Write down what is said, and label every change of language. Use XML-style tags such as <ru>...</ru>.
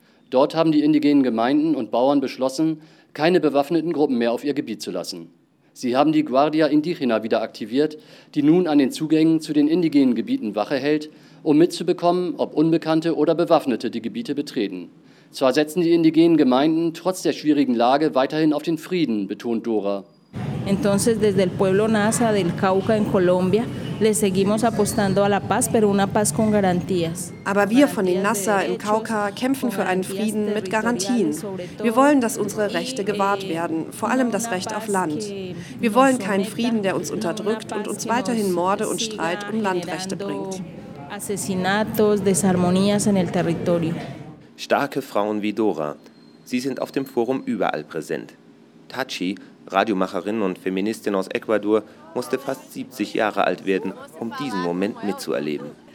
<de>Dort haben die indigenen Gemeinden und Bauern beschlossen, keine bewaffneten Gruppen mehr auf ihr Gebiet zu lassen. Sie haben die Guardia Indígena wieder aktiviert, die nun an den Zugängen zu den indigenen Gebieten Wache hält, um mitzubekommen, ob Unbekannte oder Bewaffnete die Gebiete betreten. Zwar setzen die indigenen Gemeinden trotz der schwierigen Lage weiterhin auf den Frieden, betont Dora.</de> <es>Entonces desde el pueblo Nasa del Cauca en Colombia le seguimos apostando a la paz, pero una paz con garantías.</es> <de>Aber wir von den Nasa im Cauca kämpfen für einen Frieden mit Garantien. Wir wollen, dass unsere Rechte gewahrt werden, vor allem das Recht auf Land. Wir wollen keinen Frieden, der uns unterdrückt und uns weiterhin Morde und Streit um Landrechte bringt.</de> <es>Asesinatos, desarmonías en el territorio.</es> <de>Starke Frauen wie Dora. Sie sind auf dem Forum überall präsent. Tachi, Radiomacherin und Feministin aus Ecuador, musste fast 70 Jahre alt werden, um diesen Moment mitzuerleben.</de>